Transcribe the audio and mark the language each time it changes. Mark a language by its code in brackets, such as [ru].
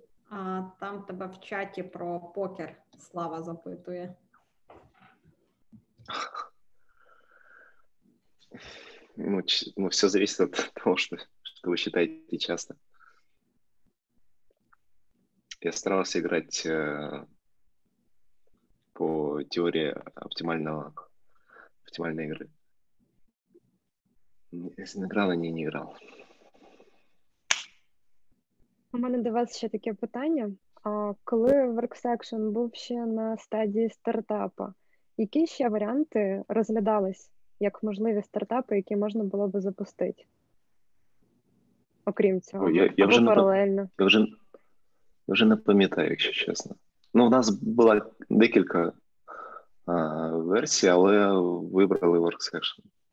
[uk] А там тебе в чаті про покер Слава запитує. [ru] Ну, все зависит от того, что вы считаете часто. Я старался играть по теории оптимальной игры. Если играл, а не играл. [uk] У мене до вас ще таке питання. А коли WorkSection був ще на стадії стартапа, які ще варіанти розглядались як можливі стартапи, які можна було би запустити? Окрім цього, паралельно. Я вже не пам'ятаю, якщо чесно. Ну, у нас була декілька версій, але вибрали WorkSection.